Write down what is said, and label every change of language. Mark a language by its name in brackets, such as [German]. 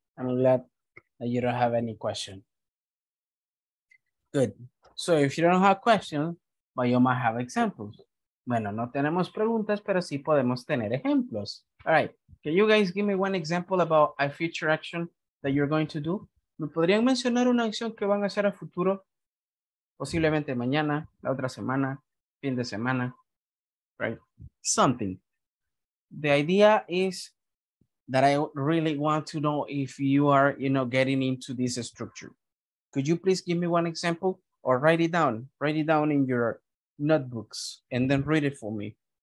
[English] I'm glad that you don't have any question. Good. So if you don't have questions, but you might have examples. [Spanish] Bueno, no tenemos preguntas, pero sí podemos tener ejemplos. [English] All right. Can you guys give me one example about a future action that you're going to do? [Spanish] ¿Me podrían mencionar una acción que van a hacer a futuro? Posiblemente mañana, la otra semana, fin de semana. [English] Right. Something. The idea is that I really want to know if you are, you know, getting into this structure. Could you please give me one example or write it down? Write it down in your notebooks and then read it for me.